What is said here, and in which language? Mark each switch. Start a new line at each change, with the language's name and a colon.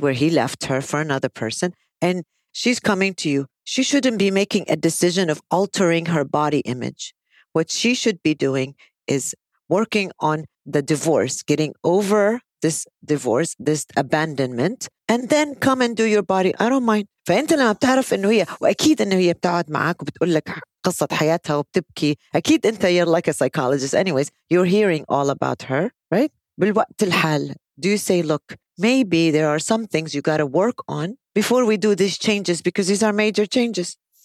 English: Where he left her for another person. And she's coming to you. She shouldn't be making a decision of altering her body image. What she should be doing is working on the divorce, getting over this divorce, this abandonment, and then come and do your body. I don't mind.
Arabic: فأنت لما بتعرف إنه هي وأكيد إنه هي بتقعد معك وبتقول لك قصة حياتها وبتبكي, أكيد أنت
English: you're like a psychologist. Anyways, you're hearing all about her, right?
Arabic: بالوقت الحال,
English: do you say, look, maybe there are some things you got to work on before we do these changes because these are major changes.